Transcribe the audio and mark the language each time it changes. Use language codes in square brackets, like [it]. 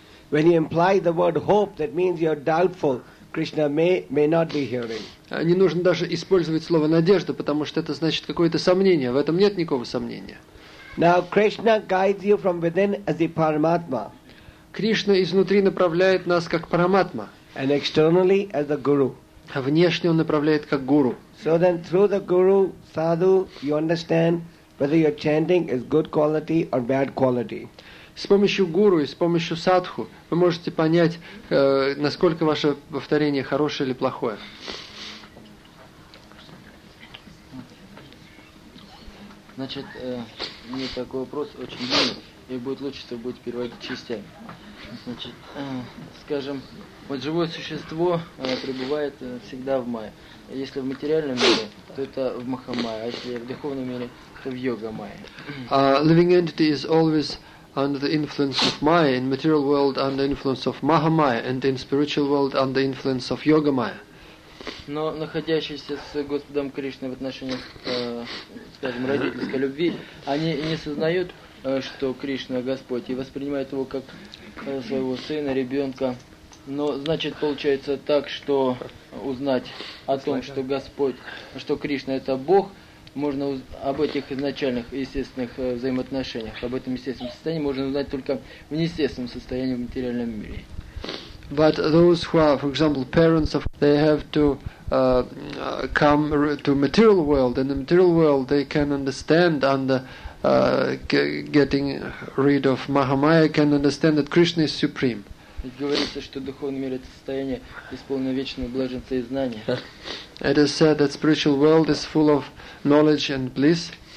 [en] When you imply the word hope, that means you're doubtful. Krishna may not be hearing. [ru] Не нужно даже использовать слово надежда, потому что это значит какое-то сомнение. В этом нет никакого сомнения. [en] Now Krishna guides you from within as the Paramatma. [ru] Кришна изнутри направляет нас как Параматма. [en] And externally as the Guru. [ru] А внешне он направляет как Гуру. [en] So then through the Guru, Sadhu, you understand whether your chanting is good quality or bad quality. [ru] С помощью гуру и с помощью садху вы можете понять, насколько ваше повторение хорошее или плохое. Значит, мне такой вопрос очень важный, и будет лучше, чтобы будет переводить частями. Значит, скажем, вот живое существо пребывает всегда в майе. Если в материальном мире, то это в махамайе, а если в духовном мире, то в йога-майе. [en] Living entity is always under the influence of Maya, in material world under the influence of Mahamaya, and in spiritual world under the influence of Yogamaya. [ru] Но находящиеся с Господом Кришной в отношениях, скажем, родительской любви, они не сознают, что Кришна Господь, и воспринимают его как своего сына, ребенка. Но значит получается так, что узнать о том, что Господь, что Кришна это Бог, можно об этих изначальных естественных взаимоотношениях, об этом естественном состоянии можно узнать только в неестественном состоянии в материальном мире. [en] But those who are, for example, parents of, they have to come to material world. In the material world, they can understand under getting rid of Mahamaya, can understand that Krishna is supreme. [ru] It говорится, что духовный мир это состояние исполненное вечного блаженства и знания. [en] It is said that spiritual world is full of knowledge and bliss.